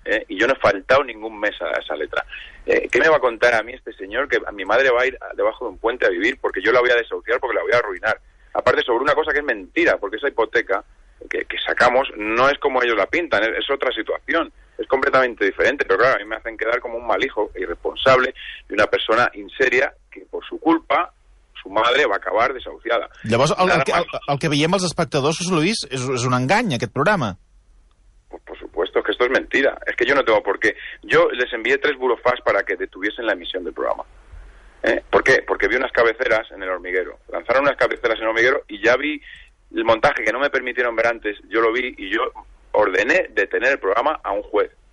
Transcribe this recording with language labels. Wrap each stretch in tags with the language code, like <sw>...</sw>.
<es>Y yo no he faltado ningún mes a esa letra. ¿Qué me va a contar a mí este señor que a mi madre va a ir debajo de un puente a vivir porque yo la voy a desahuciar, porque la voy a arruinar? Aparte, sobre una cosa que es mentira, porque esa hipoteca que sacamos no es como ellos la pintan, es otra situación, es completamente diferente. Pero claro, a mí me hacen quedar como un mal hijo e irresponsable y una persona inseria que por su culpa su madre va a acabar desahuciada.</es> <ca>Llavors, el que veiem els espectadors, José Luis, és un engany aquest programa.</ca> <es>Por supuesto, es que esto es mentira. Es que yo no tengo por qué. Yo les envié 3 burofax para que detuviesen la emisión del programa. ¿Por qué? Porque vi unas cabeceras en el hormiguero. Lanzaron unas cabeceras en el hormiguero y ya vi el montaje que no me permitieron ver antes. Yo lo vi y yo ordené detener el programa a un juez.</es>